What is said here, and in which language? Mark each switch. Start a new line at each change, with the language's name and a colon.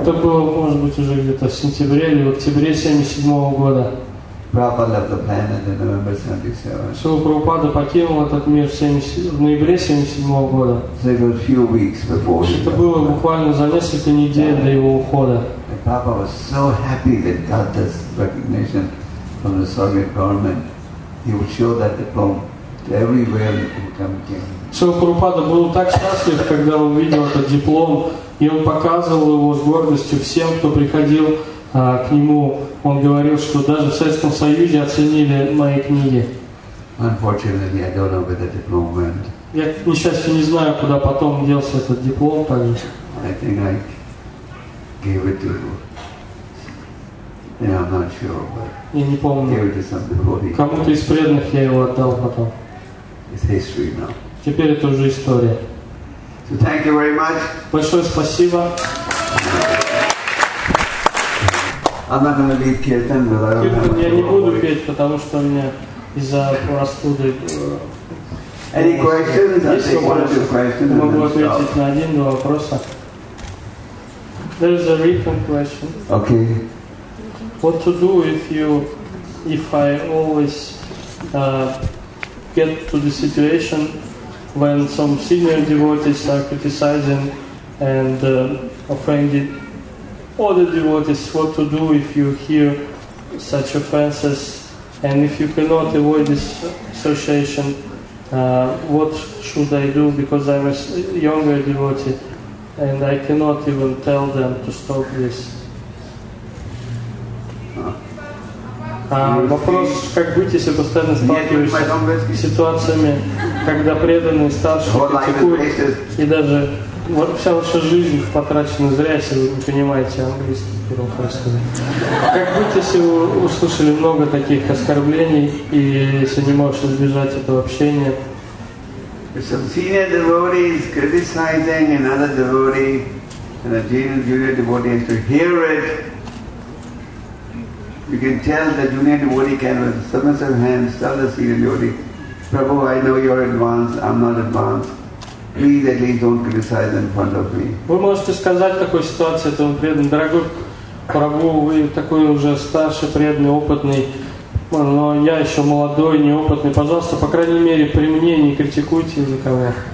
Russian: Это было, может быть, уже где-то в сентябре или в октябре 77 года.
English: Prabhupada left the planet in November 77.
Russian: Шрила Прабхупада покинул этот мир в ноябре 77 года.
English: So it was a few weeks before he left.
Russian: Это было буквально за несколько недель до его ухода.
English: And Prabhupada was so happy that got this recognition from the Soviet government. He would show that diploma to everywhere he could come again.
Russian: Шрила Прабхупада был так счастлив, когда он увидел этот диплом, и он показывал его с гордостью всем, кто приходил к нему. Он говорил, что даже в Советском Союзе оценили мои книги.
English: Unfortunately, I don't know where the diploma went.
Russian: Я, к несчастью, не знаю, куда потом делся этот диплом.
English: I think I gave it to... Yeah, I'm not sure, but...
Russian: Я не помню.
English: Gave it to some devotee.
Russian: Кому-то из преданных я его отдал потом.
English: It's history now.
Russian: Теперь это уже история.
English: So thank you very much.
Russian: Большое спасибо.
English: I'm not going to leave Kirtan, but I don't have
Russian: Я не буду петь, потому что у меня из-за простуды...
English: Any questions? I think one or two questions.
Russian: Могу ответить на один-два вопроса.
English: There's a written question. Okay. What to do if I always get to the situation when some senior devotees are criticizing and offended all the devotees, what to do if you hear such offenses, and if you cannot avoid this association, what should I do? Because I'm a younger devotee, and I cannot even tell them to stop this.
Russian: Вопрос, как быть, если постоянно сталкиваешься с ситуациями, когда преданные старшие критикуют, и даже вот вся ваша жизнь потрачена зря, если вы не понимаете английский перевод. Как будто, если вы услышали много таких оскорблений, и если не можешь избежать этого общения.
English: Some senior devotee is criticizing another devotee, and a junior devotee, and to hear it, You can tell the junior devotee can with submissive hands tell the senior devotee, Prabhu, I know you're advanced, I'm not advanced. Please at least don't criticize in front of me.
Russian: Вы можете сказать такой ситуации этому преданному, дорогой Прабху, вы такой уже старший, преданный, опытный, но я еще молодой, неопытный. Пожалуйста, по крайней мере, при мне не критикуйте никого.